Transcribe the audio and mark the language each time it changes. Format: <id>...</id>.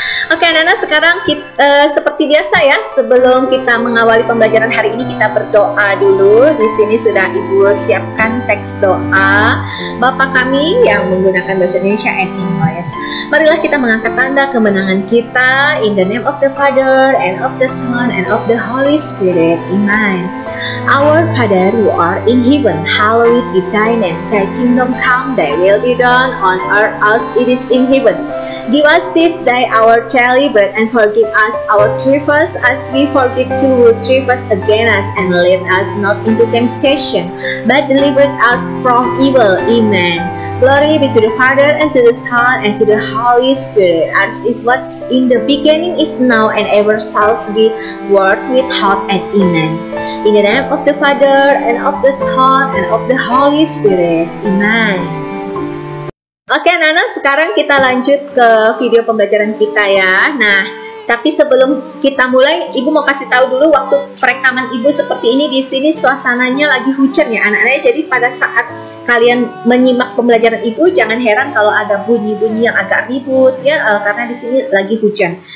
<id>Oke, anak-anak, sekarang kita, seperti biasa ya, sebelum kita mengawali pembelajaran hari ini, kita berdoa dulu. Di sini sudah Ibu siapkan teks doa. Bapa kami yang menggunakan bahasa Indonesia and English. Marilah kita mengangkat tanda kemenangan kita.</id> <en>In the name of the Father, and of the Son, and of the Holy Spirit. Amen. Our Father who art in heaven, hallowed be thy name. Thy kingdom come, thy will be done on earth as it is in heaven. Give us this day our daily bread, and forgive us our trespasses as we forgive to who trespass against us, and lead us not into temptation, but deliver us from evil. Amen. Glory be to the Father, and to the Son, and to the Holy Spirit, as is what's in the beginning, is now, and ever shall be, world without end. Amen. In the name of the Father, and of the Son, and of the Holy Spirit. Amen.</en> <id>Oke, anak-anak, sekarang kita lanjut ke video pembelajaran kita ya. Nah, tapi sebelum kita mulai, Ibu mau kasih tahu dulu waktu perekaman Ibu seperti ini. Di sini suasananya lagi hujan ya anak-anak. Jadi pada saat kalian menyimak pembelajaran Ibu, jangan heran kalau ada bunyi-bunyi yang agak ribut ya, karena di sini lagi hujan.</id>